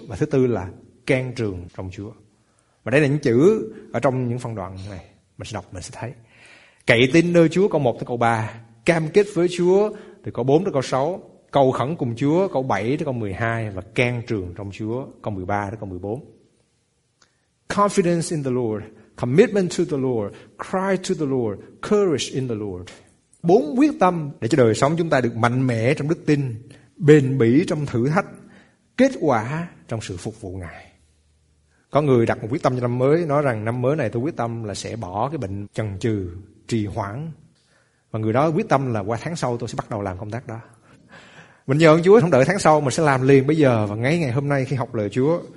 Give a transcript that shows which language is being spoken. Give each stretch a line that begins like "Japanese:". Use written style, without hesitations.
Vietnamese: Và thứ tư là can trường trong Chúa. Và đây là những chữ ở trong những phần đoạn này mình sẽ đọc, mình sẽ thấy. Cậy tin nơi Chúa câu 1 tới câu 3, cam kết với Chúa từ câu 4 tới câu 6, cầu khẩn cùng Chúa câu 7 tới câu 12, và can trường trong Chúa câu 13 tới câu 14.
English: Confidence in the Lord, commitment to the Lord, cry to the Lord, courage in the Lord.
Vietnamese: 4 quyết tâm để cho đời sống chúng ta được mạnh mẽ trong đức tin, bền bỉ trong thử thách, kết quả trong sự phục vụ Ngài. Có người đặt một quyết tâm cho năm mới, nói rằng năm mới này tôi quyết tâm là sẽ bỏ cái bệnh chần chừ, trì hoãn. Và người đó quyết tâm là qua tháng sau tôi sẽ bắt đầu làm công tác đó. Mình nhờ ơn Chúa không đợi tháng sau, mình sẽ làm liền bây giờ và ngay ngày hôm nay khi học lời Chúa.